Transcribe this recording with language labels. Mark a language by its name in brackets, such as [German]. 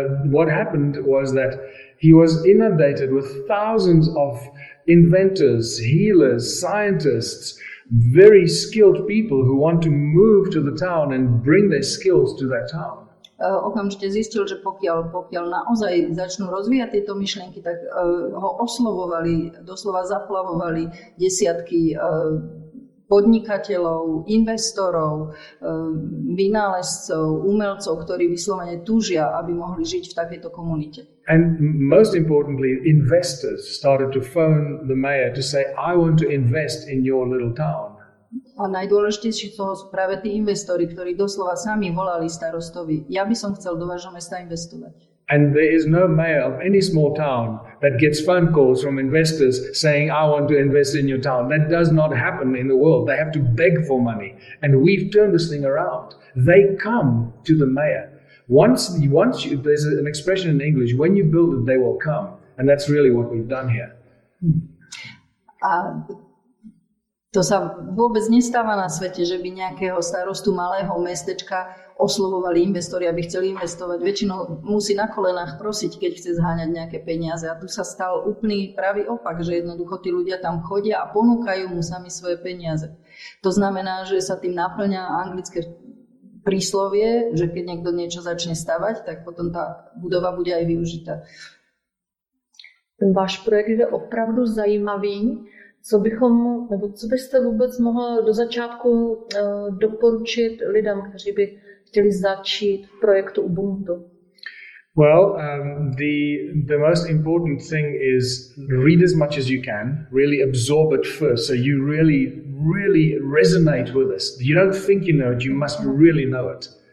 [English] What happened was that he was inundated with thousands of inventors, healers, scientists, very skilled people who want to move to the town and bring their skills to that town. [Slovak] Okamžite zistil, že pokiaľ naozaj začnú rozvíjať tieto myšlienky, tak ho oslovovali, doslova zaplavovali desiatky podnikateľov, investorov, vynálezcov, umelcov, ktorí vyslovene túžia, aby mohli žiť v takejto komunite. [English] And most importantly, investors started to phone the mayor to say, I want to invest in your little town. [Slovak] A najdôležitejšie toho sú práve tí investori, ktorí doslova sami volali starostovi. Ja by som chcel do vášho mesta investovať. [English] And there is no mayor of any small town that gets phone calls from investors saying, I want to invest in your town. That does not happen in the world. They have to beg for money. And we've turned this thing around. They come to the mayor. Once you, there's an expression in English, when you build it, they will come. And that's really what we've done here. [Slovak] To sa vôbec nestáva na svete, že by nejakého starostu malého mestečka oslovovali investori, aby chceli investovať. Väčšinou musí na kolenách prosiť, keď chce zháňať nejaké peniaze. A tu sa stal úplný pravý opak, že jednoducho tí ľudia tam chodia a ponúkajú mu sami svoje peniaze. To znamená, že sa tým naplňa anglické príslovie, že keď niekto niečo začne stavať, tak potom tá budova bude aj využitá. [Czech] Ten váš projekt je opravdu zajímavý. Co bychom, nebo co byste vůbec mohl do začátku doporučit lidem, kteří by chtěli začít v projektu Ubuntu? [English] Well, the most important thing is read as much as you can, really absorb it first, so you really, really resonate with this. You don't think you know it, you must really know it.